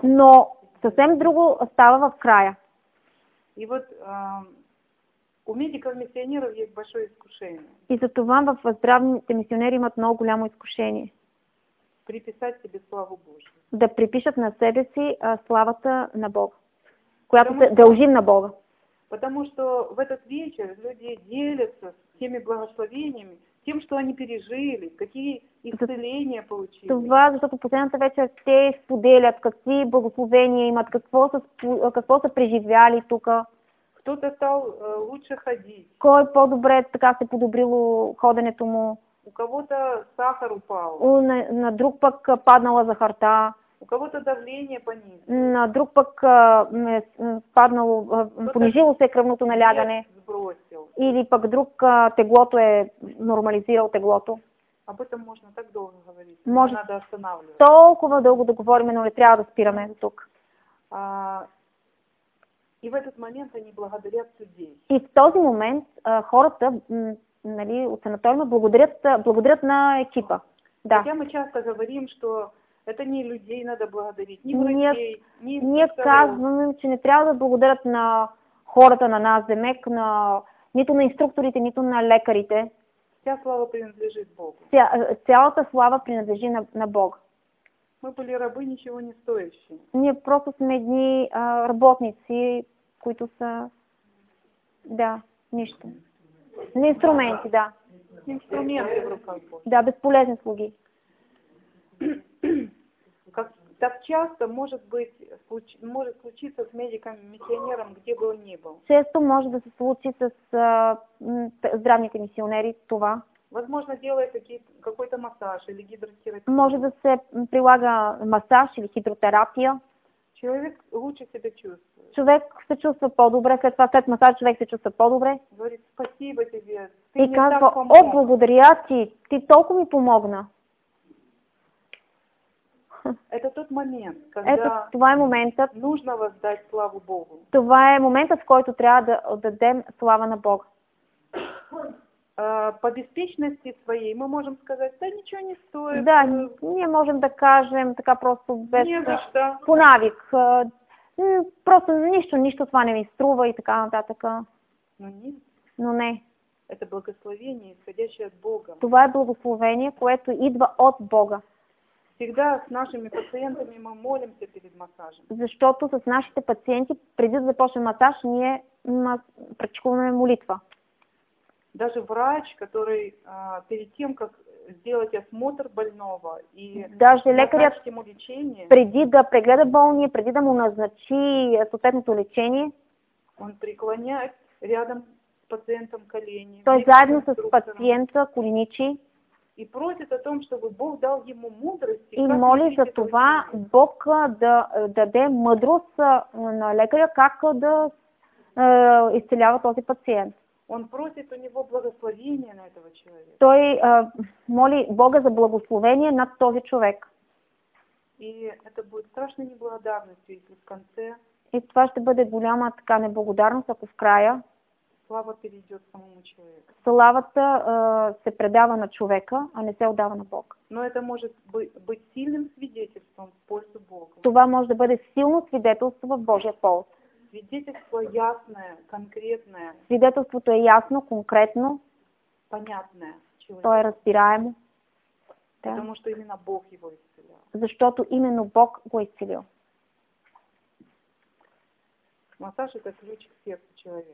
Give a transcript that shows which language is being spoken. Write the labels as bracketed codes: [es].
[bg] Но съвсем друго става в края. [ru] И вот у медиков-мисионеров есть большое искушение. [bg] И затова в здравните мисионери имат много голямо искушение. [ru] Приписать себе славу Божию. [bg] Да припишат на себе си славата на Бога, която се дължим на Бога. [ru] Потому что в этот вечер люди делятся теми благословениями, тем, что они пережили, какие исцеления получили. [bg] Това, защото последната вечер те споделят какви благословения имат, какво са преживяли тук. [ru] Кто-то стал лучше ходить. [bg] Кой по-добре така се подобрило ходенето му. [ru] У кого-то сахар упал. [bg] На друг пък паднала захарта. [ru] У кого-то давление понизило. [bg] На друг пък паднало, понижило се кръвното налягане. [ru] Сбросил. [bg] Или пък друг теглото е нормализирал теглото. [ru] Об этом можно так долго говорить. [bg] Може... [ru] Надо останавливать. [bg] Толкова дълго да говорим, но не трябва да спираме тук. [ru] И в этот момент они благодарят людей. [bg] И в този момент хората, нали, от санаторима благодарят на екипа. Да. [ru] Хотя мы часто говорим, что это не людей надо благодарить, не врачей, не инструкторов. [bg] Ние казваме, че не трябва да благодарят на хората, на нас, демек, нито на инструкторите, нито на лекарите. [ru] Вся слава принадлежит Богу. [bg] Цялата слава принадлежи на Бога. [ru] Мы были рабы, ничего не стоящие. [bg] Ние просто сме едни работници, които са... Да, нищо. На инструменти, да. [ru] Инструменти в руках. [bg] Да, безполезни слуги. [ru] Как так часто может быть, может случиться с медиком, миссионером, где бы он ни был? [bg] Често може да се случи с здравните мисионери това. [ru] Возможно, делает какой-то массаж или гидротерапия. [bg] Може да се прилага масаж или хидротерапия. [ru] Човек лучше себя чувствует. [bg] Човек се чувства по-добре, след това след масаж човек се чувства по-добре. [ru] Говорит, спасибо тебе. Ты [bg] и казва, о, благодаря ти, ти толкова ми помогна. [ru] Это тот момент, когда [bg] Это, това е моментът, [ru] нужно воздать славу Богу. [bg] Това е моментът, в който трябва да отдадем слава на Бога. [ru] По беспечности своей мы можем сказать, да ничего не стоит. [bg] Да, не можем да кажем така просто без да, по навик. Просто нищо това не ми струва и така нататък. Но не. [ru] Это благословение, исходящее от Бога. [bg] Това е благословение, което идва от Бога. [ru] Всегда с нашими пациентами мы молимся перед массажем. [bg] Защото с нашите пациенти, преди да започнем масаж, ние практикуваме молитва. [ru] Даже врач, который перед тем, как сделать осмотр больного и [bg] даже лекарят, [ru] ему лечение, [bg] преди да прегледа болния, преди да му назначи съответното лечение, [ru] он преклоняет рядом с пациентом колени. [bg] Той заедно с пациента коленичи. [ru] И просит о том, чтобы Бог дал ему мудрость. [bg] И моли за това Бог да даде мъдрост на лекаря, как да изцелява този пациент. [ru] Он просит у него благословение на этого человека. [bg] Той моли Бога за благословение над този човек. [ru] И это будет страшной неблагодарностью, если в конце... [bg] И това ще бъде голяма така неблагодарност, ако в края [ru] слава перейдет самому человеку. [bg] Славата се предава на човека, а не се отдава на Бог. [ru] Но это может быть сильным свидетельством в пользу Бога. [bg] Това може да бъде силно свидетелство в Божия полза. [ru] Свидетелство ясное, конкретное. [bg] Свидетелството е ясно, конкретно. [ru] Понятное. [bg] То е разбираемо. Да. [ru] Потому что именно Бог его исцелил. [bg] Защото именно Бог го исцелил. [ru] Массаж это ключ к сердцу человека.